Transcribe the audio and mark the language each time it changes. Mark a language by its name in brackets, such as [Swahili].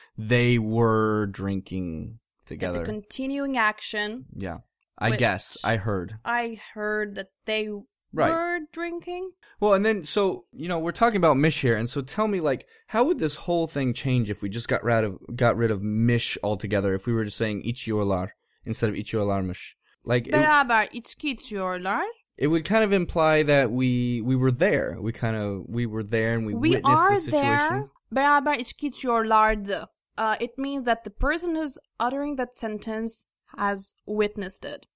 [English] They were drinking together. It's a continuing action. Yeah. I guess. I heard that they were drinking. Well, and then, so, you know, we're talking about mish here. And so tell me, like, how would this whole thing change if we just got rid of mish altogether? If we were just saying içiyorlar instead of içiyorlarmış. Like, [Turkish] beraber içki içiyorlar. [English] It would kind of imply that we were there. We were there and we witnessed the situation. We are there. [Turkish] Beraber içki içiyorlardı. [English] It means that the person who's uttering that sentence has witnessed it.